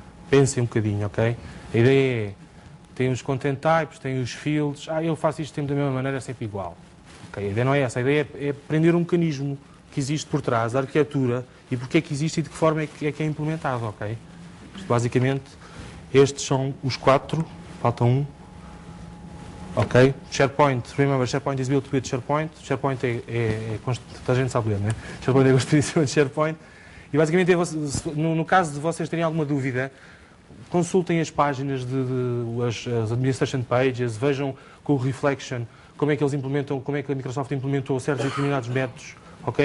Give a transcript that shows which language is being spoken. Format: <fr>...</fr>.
<pt>Pensem um bocadinho, ok? A ideia é, tem os content types, tem os fields, eu faço isto sempre da mesma maneira, é sempre igual. Okay? A ideia não é essa, a ideia é aprender um mecanismo que existe por trás, a arquitetura, e porque é que existe e de que forma é que é implementado, ok? Basicamente, estes são os 4, falta um. Ok?</pt> <en>SharePoint, remember, SharePoint is built with SharePoint.</en> <pt>SharePoint é toda a gente sabe ler, não é? SharePoint é a construção de SharePoint. E basicamente, no caso de vocês terem alguma dúvida, consultem as páginas as administration pages, vejam com o Reflection como é que eles implementam, como é que a Microsoft implementou certos determinados métodos. Ok?</pt>